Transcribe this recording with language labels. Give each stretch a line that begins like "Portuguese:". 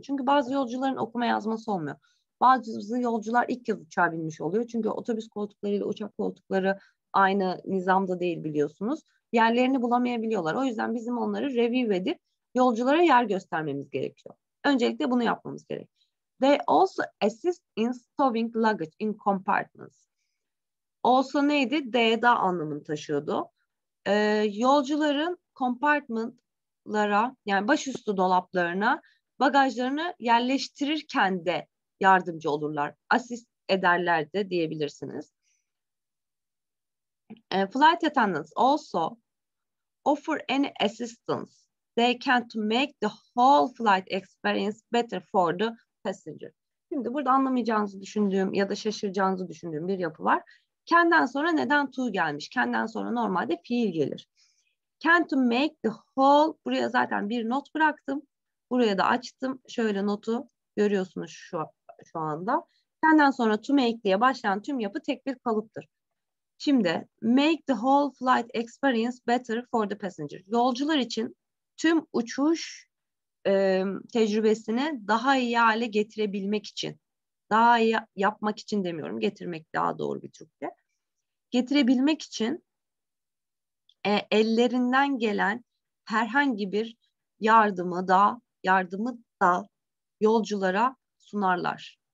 Turkish: Çünkü bazı yolcuların okuma yazması olmuyor. Bazı yolcular ilk kez uçağa binmiş oluyor. Çünkü otobüs koltukları ile uçak koltukları aynı nizamda değil biliyorsunuz. Yerlerini bulamayabiliyorlar. O yüzden bizim onları review edip yolculara yer göstermemiz gerekiyor. Öncelikle bunu yapmamız gerek.
English: They also assist in stowing luggage in compartments.
Turkish: Also neydi? D'da anlamını taşıyordu. Yolcuların compartmentlara yani başüstü dolaplarına bagajlarını yerleştirirken de yardımcı olurlar. Assist ederler de diyebilirsiniz.
English: Flight attendants also offer any assistance they can to make the whole flight experience better for the passenger.
Turkish: Şimdi burada anlamayacağınızı düşündüğüm ya da şaşıracağınızı düşündüğüm bir yapı var. Can'dan sonra neden to gelmiş? Can'dan sonra normalde fiil gelir.
English: Can to make the whole,
Turkish: buraya zaten bir not bıraktım. Buraya da açtım. Şöyle notu görüyorsunuz şu şu anda. Senden sonra to make'liğe başlayan tüm yapı tek bir kalıptır. Şimdi
English: make the whole flight experience better for the passenger.
Turkish: Yolcular için tüm uçuş tecrübesini daha iyi hale getirebilmek için. Daha iyi yapmak için demiyorum. Getirmek daha doğru bir Türkçe. Getirebilmek için ellerinden gelen herhangi bir yardımı da yolculara sunarlar.